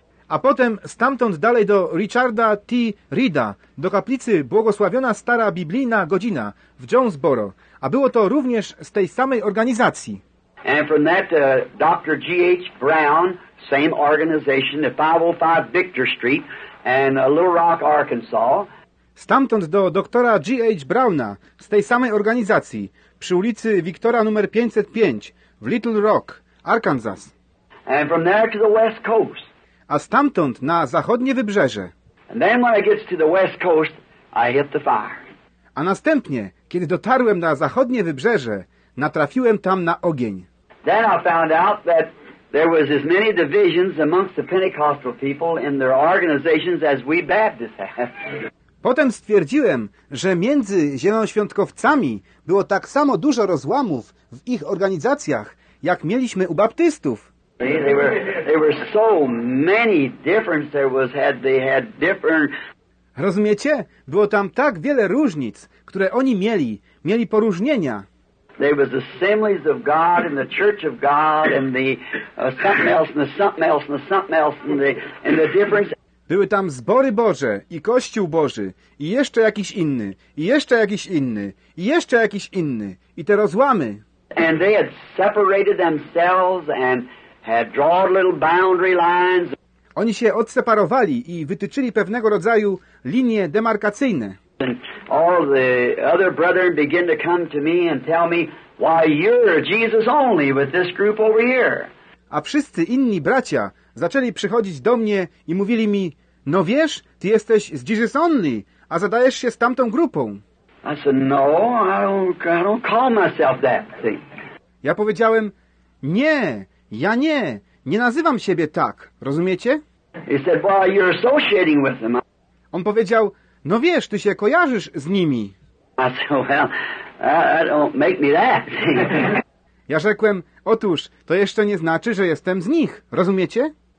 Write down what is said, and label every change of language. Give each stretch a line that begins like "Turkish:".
Polish: A potem stamtąd dalej do Richarda T. Reeda, do kaplicy Błogosławiona Stara Biblijna Godzina w Jonesboro, a było to również z tej samej organizacji.
English: And from that, Dr. G.H. Brown, same organization, the 505 Victor Street, and Little Rock, Arkansas.
Polish: Stamtąd do doktora G.H. Browna, z tej samej organizacji, przy ulicy Wiktora numer 505, w Little Rock, Arkansas.
English: And from there to the West Coast.
Polish: A stamtąd na zachodnie wybrzeże.
English: And then when I get to the West Coast, I hit the fire.
Polish: A następnie, kiedy dotarłem na zachodnie wybrzeże, natrafiłem tam na ogień.
English: Then I found out that there was as many divisions amongst the Pentecostal people in their organizations as we Baptists have.
Polish: Potem stwierdziłem, że między Zielonoświątkowcami było tak samo dużo rozłamów w ich organizacjach, jak mieliśmy u Baptystów.
English: There were so many differences. They had different.
Polish: Rozumiecie? Było tam tak wiele różnic, które oni mieli. Mieli poróżnienia.
English: There was assemblies of God and the Church of God and the something else and the something else and the something else and the difference.
Polish: Były tam zbory Boże i Kościół Boży i jeszcze jakiś inny i jeszcze jakiś inny i jeszcze jakiś inny i te rozłamy.
English: And they had separated themselves and had drawn little boundary lines.
Polish: Oni się odseparowali i wytyczyli pewnego rodzaju linie demarkacyjne.
English: And all the other brethren begin to come to me and tell me why you're Jesus only with this group over here.
Polish: A wszyscy inni bracia zaczęli przychodzić do mnie i mówili mi, no wiesz, ty jesteś z Jesus Only, a zadajesz się z tamtą grupą.
English: I said, no, I don't call myself that. See?
Polish: Ja powiedziałem, nie, ja nie nazywam siebie tak, rozumiecie?
English: He said, well, you're associating with them.
Polish: On powiedział, no wiesz, ty się kojarzysz z nimi.
English: I said, well, I don't make me that.
Polish: Ja rzekłem, otóż, to jeszcze nie znaczy, że jestem z nich, rozumiecie?